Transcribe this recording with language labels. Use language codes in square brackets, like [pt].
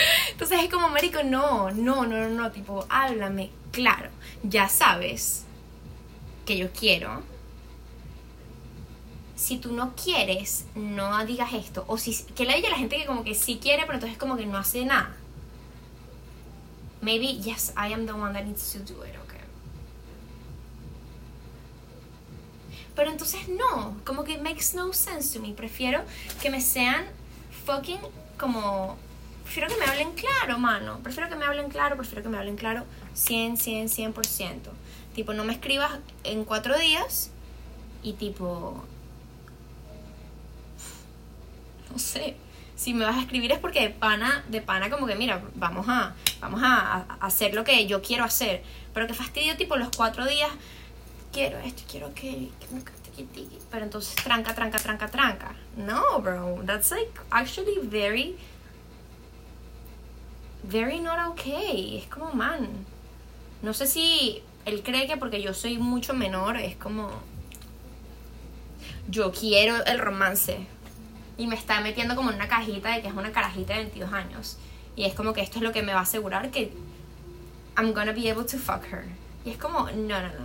[es] Entonces es como, marico, no. Tipo, háblame, claro. Ya sabes que yo quiero. Si tú no quieres, no digas esto. O si, que le diga a la gente que como que sí quiere, pero entonces como que no hace nada. [en] Maybe, yes, I am the one that needs to do it, okay. [es] Pero entonces no, como que [en] it makes no sense to me. [es] Prefiero que me sean fucking como, prefiero que me hablen claro, mano. Prefiero que me hablen claro, 100%. Tipo, no me escribas en 4 días y tipo, no sé, si me vas a escribir es porque de pana como que mira, vamos a hacer lo que yo quiero hacer. Pero qué fastidio, tipo los 4 días, quiero esto, quiero aquello, pero entonces tranca. [en] No, bro, that's like actually very, very not okay. [es] Es como, man, no sé si él cree que porque yo soy mucho menor, es como, yo quiero el romance. Y me está metiendo como en una cajita de que es una carajita de 22 años. Y es como que esto es lo que me va a asegurar que [en] I'm gonna be able to fuck her. [es] Y es como, no.